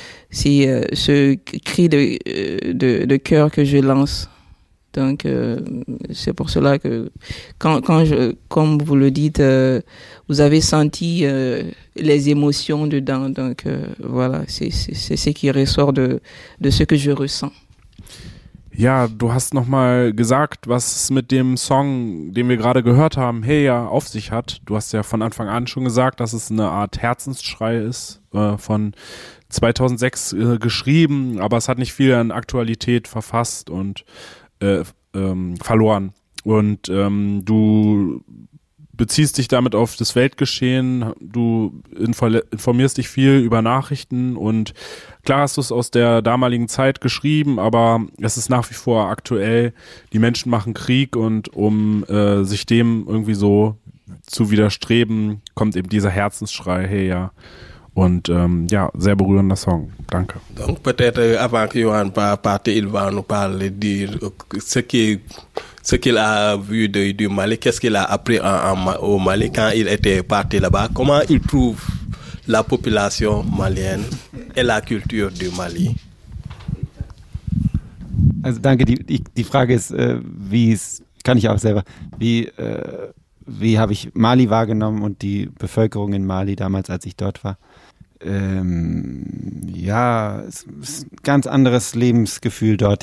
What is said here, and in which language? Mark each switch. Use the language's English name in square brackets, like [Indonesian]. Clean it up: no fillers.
[French] C'est ce cri de cœur que je lance. Donc c'est pour cela que comme vous le dites, vous avez senti les émotions dedans. Donc voilà, c'est ce qui ressort de ce que je ressens. [German] Ja, du hast nochmal gesagt, was es mit dem Song, den wir gerade gehört haben, Hey Ya, auf sich hat. Du hast ja von Anfang an schon gesagt, dass es eine Art Herzensschrei ist, von 2006 geschrieben, aber es hat nicht viel an Aktualität verfasst und verloren. Und du beziehst dich damit auf das Weltgeschehen, du informierst dich viel über Nachrichten und klar hast du es aus der damaligen Zeit geschrieben, aber es ist nach wie vor aktuell, die Menschen machen Krieg und um sich dem irgendwie so zu widerstreben, kommt eben dieser Herzensschrei, hey ja. Und ja, sehr berührender Song. Danke. [French] Donc peut-être avant que Johan parte, il va nous parler de ce qu'il a vu du Mali, qu'est-ce qu'il a appris au Mali quand il était parti là-bas, comment il trouve la population malienne et la culture du Mali. [German] Also danke, die Frage ist, wie es, kann ich auch selber, wie habe ich Mali wahrgenommen und die Bevölkerung in Mali damals, als ich dort war? Ja, es ist ein ganz anderes Lebensgefühl dort.